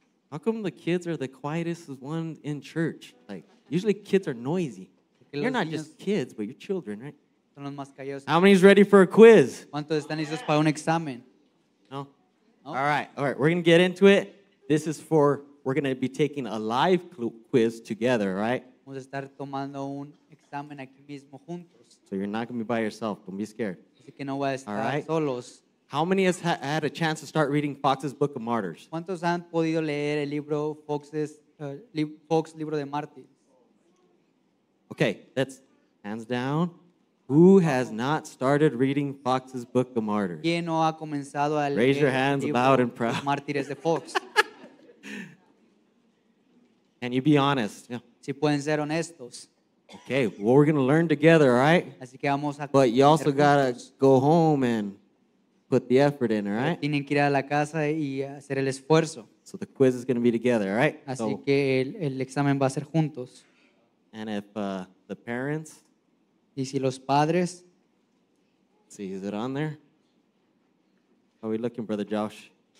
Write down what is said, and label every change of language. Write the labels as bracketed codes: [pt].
[en] How come the kids are the quietest one in church? Like, usually kids are noisy. You're not just kids, but you're children, right? [es] Son los más callosos. [en] How many is ready for a quiz? [es] ¿Cuántos están listos para un examen? No? No? [en] All right, we're going to get into it. This is for, we're going to be taking a live quiz together, right? [es] Vamos a estar tomando un examen aquí mismo juntos. [en] So you're not going to be by yourself. Don't be scared. [es] Que no voy a estar solos. [en] How many has had a chance to start reading Fox's Book of Martyrs? [es] ¿Cuántos han podido leer el libro Fox's Libro de Mártires? [en] Okay, that's hands down. Who has not started reading Fox's Book of Martyrs? [es] ¿Quién no ha comenzado a leer? [en] Raise your hands loud and proud. [es] Mártires de Fox. [en] Can you be honest? Yeah. [es] Si pueden ser honestos. [en] Okay, well, we're going to learn together, all right? [es] Así que vamos a [en] but you also got to go home and put the effort in, all right? [es] Tienen que ir a la casa y hacer el esfuerzo. [en] So the quiz is going to be together, all right? [es] Así [en] so, [es] que el examen va a ser juntos. [en] And if the parents... [es] Y si los padres... [en] See, is it on there? How are we looking, Brother Josh?